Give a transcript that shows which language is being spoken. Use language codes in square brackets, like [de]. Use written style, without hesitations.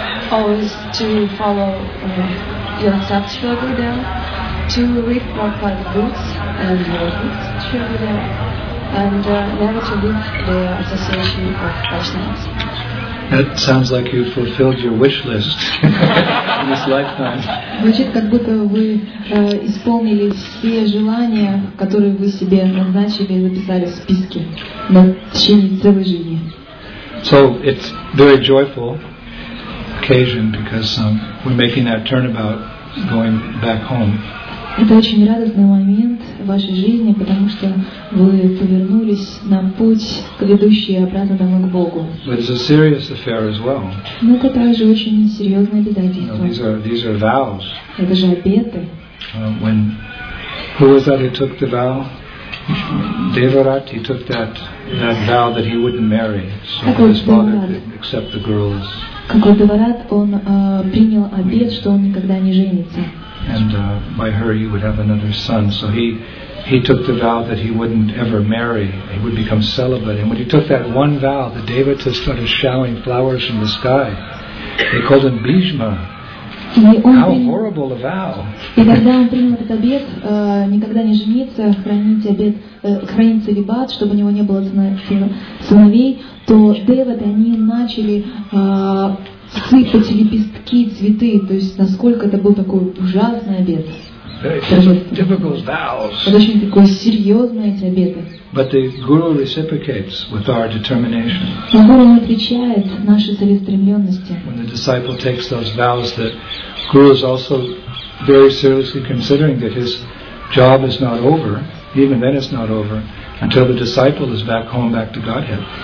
[en] Always to follow your steps, Shri Prabhupada, to read Prabhupada's books and your books, Shri Prabhupada, and never to leave the association of Vaishnavas. That sounds like you fulfilled your wish list in this lifetime. [ru] Звучит, как будто вы исполнили все желания, которые вы себе назначили и записали в списке на течение целой жизни. [en] So it's very joyful occasion because we're making that turnabout going back home. [ru] Это очень радостный момент в вашей жизни, потому что вы повернулись на путь к ведущей обратно домой к Богу. [en] But it's a serious affair as well. [ru] Но это также очень серьезное обязательство. [en] You know, these are vows. [ru] Это же обеты. [en] When who was that who took the vow? Devarat, he took that vow that he wouldn't marry, so [ru] как [en] his father could accept the girls. [ru] Какой Деварат, он принял обет, что он никогда не женится. [en] And by her he would have another son. So he took the vow that he wouldn't ever marry. He would become celibate. And when he took that one vow, the devatas started showering flowers from the sky. They called him Bhishma. How horrible a vow! [ru] И когда он принял этот обет, никогда не жениться, хранить обет, хранить целибат, чтобы у него не было сыновей, то деваты они начали сыпать лепестки, цветы, то есть насколько это был такой ужасный обет. Это очень такой серьезный эти обеты. [en] But the guru reciprocates with our determination. [ru] Но гуру отвечает нашей целеустремленности. [en] When the disciple takes those vows, the guru is also very seriously considering that his job is not over, even then it's not over, until the disciple is back home, back to Godhead.